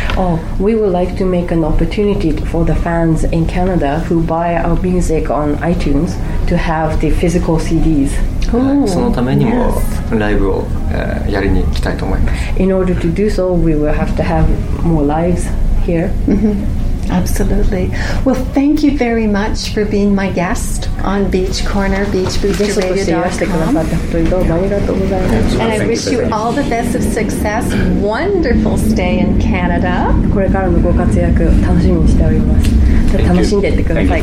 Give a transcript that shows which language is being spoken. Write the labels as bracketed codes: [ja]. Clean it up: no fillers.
[en] Oh, we would like to make an opportunity for the fans in Canada who buy our music on iTunes to have the physical CDs. [ja] そのためにもライブをやりに行きたいと思います。 [en] In order to do so, we will have to have more lives here. Absolutely. Well, thank you very much for being my guest on Beach Corner, BeachBoosterRadio.com. And I wish you all the best of success. Wonderful stay in Canada. [ja] これからのご活躍楽しみにしております。楽しんでいってください。